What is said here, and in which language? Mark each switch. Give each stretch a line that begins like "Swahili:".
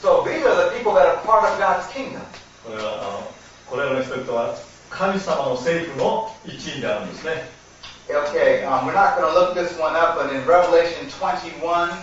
English: So these are the people that are part of God's kingdom.
Japanese: これらの人々は神様の政府の一員であるんですね。
English: Okay, we're not going to look this one up, but in Revelation 21,